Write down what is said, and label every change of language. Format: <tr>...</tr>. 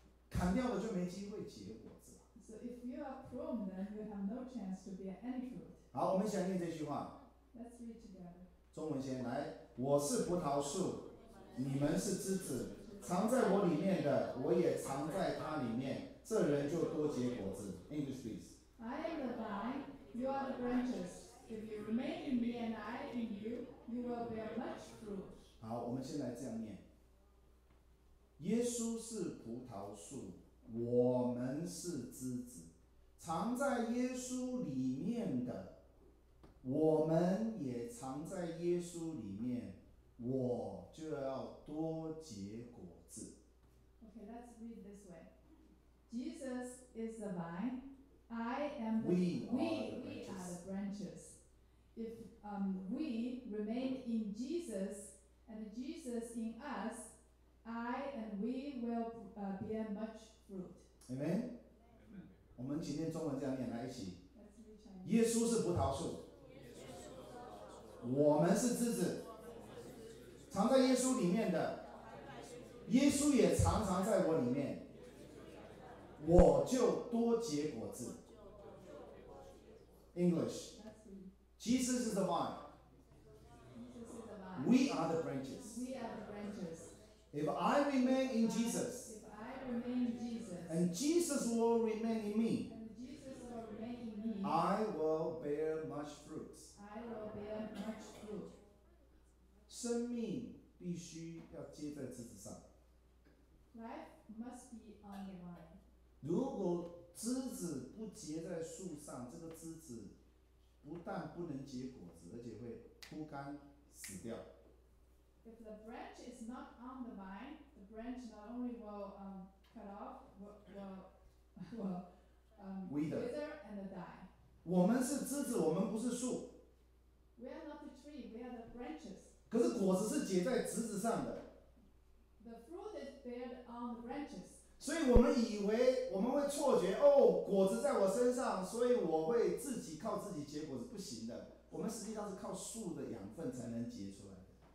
<zh>砍掉了就没机会结果子了。</zh> <en>So if you are prune, then you have no chance to bear any fruit.</en> <zh>好，我们想念这句话。</zh> <en>Let's read together.</en> <zh>中文先来，我是葡萄树，你们是枝子，藏在我里面的，我也藏在它里面，这人就多结果子。</zh> <en>English please. I am the vine, you are the branches. If you remain in me and I in you, you will bear much fruit.</en> <zh>好，我们先来这样念。耶稣是葡萄树，我们是枝子，藏在耶稣里面的，我们也藏在耶稣里面，我就要多结果子。</zh> <en>OK, let's read this way. Jesus is the vine, I am the we are the branches. If we remain in Jesus and Jesus in us,I and we will bear much fruit. Amen. Amen.</en> <zh>我们今天中文这样念来一起。</zh> <en>Let's read Chinese.</en> <zh>耶稣是葡萄树。耶稣是葡萄树。我们是枝子。我们是枝子。藏在耶稣里面的。耶稣也常常在我里面。我就多结果子。</zh> <en>English. Jesus is the vine. Jesus is the vine. We are the branches. We are the branches. If I remain in Jesus, if I remain in Jesus, and Jesus will remain in me, and Jesus will remain in me, I will bear much fruit. I will bear much fruit.</en> <zh>生命必须要接在枝子上。</zh> <en>Life must be on the vine.</en> <zh>如果枝子不结在树上，这个枝子不但不能结果子，而且会枯干死掉。</zh> <en>If the branch is not on the vine, the branch not only will cut off, will wither and die.</en> <zh>我们是枝子，我们不是树。</zh> <en>We are not the tree, we are the branches.</en> <zh>可是果子是结在枝子上的。</zh> <en>The fruit is bear on the branches.</en> <zh>所以我们以为我们会错觉，哦，果子在我身上，所以我会自己靠自己结果子，不行的。我们实际上是靠树的养分才能结出来的。</zh>